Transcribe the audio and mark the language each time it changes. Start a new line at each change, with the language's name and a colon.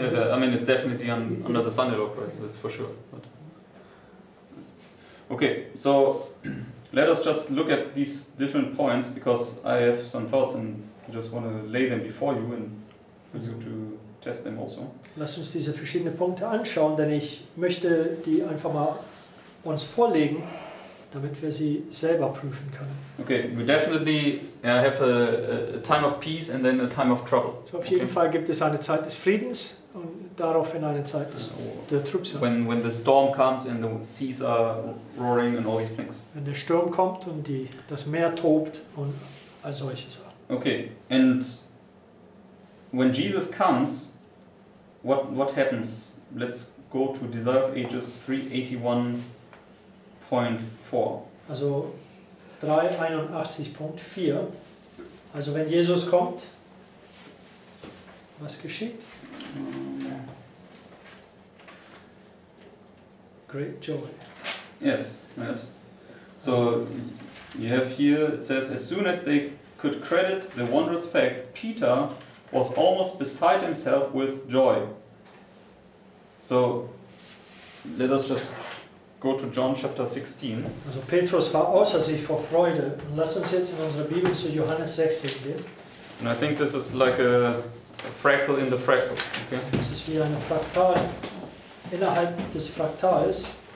English: Yes, I mean, it's definitely under the Sunday law crisis, that's for sure. But. Okay, so... Let us just look at these different points, because I have some thoughts and just want to lay them before you and for you to test them also.
German: Lass uns diese verschiedenen Punkte anschauen, denn ich möchte die einfach mal uns vorlegen damit wir sie selber prüfen können.
English: Okay, we definitely have a time of peace and then a time of trouble.
German: So auf jeden Fall gibt es eine Zeit des Friedens und daraufhin eine Zeit des der Trübsal.
English: When the storm comes and the seas are roaring and all these things.
German: Wenn der Sturm kommt und die das Meer tobt und all solche Sachen.
English: Okay, and when Jesus comes, what happens? Let's go to Desire of Ages 381.4.
German: Also 381.4. Also wenn Jesus kommt, was geschieht?
English: Great joy. Yes, right. So you have here, it says, as soon as they could credit the wondrous fact, Peter was almost beside himself with joy. So, let us just go to John chapter 16.
German: Also Petrus war außer sich vor Freude. Und lass uns jetzt in unsere Bibel zu Johannes 16 gehen.
English: And I think this is like a fractal in the fractal. Okay?
German: Das ist wie ein Fraktal innerhalb des Fraktals.